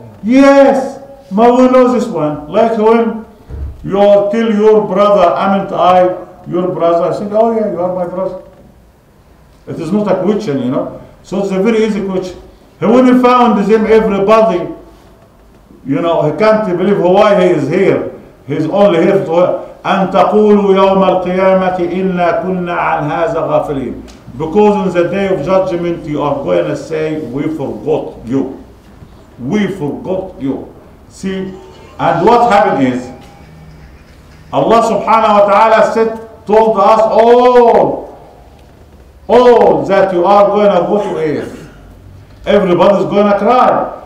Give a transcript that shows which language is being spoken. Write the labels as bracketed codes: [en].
[en] Yes, but we know this one. Like when you tell your brother, amint I your brother? I said, oh yeah, you are my brother. It is not a question, you know. So it's a very easy question. When he found them, everybody You know, he can't believe why he is here. He's only here to [ar] أن تقولوا يوم القيامة إنا كنا عن هذا غافلين. [en] Because in the day of judgment you are going to say, we forgot you. We forgot you. See, and what happened is, Allah [ar] subhanahu wa ta'ala [en] said, told us all that you are going to go to is, everybody's going to cry.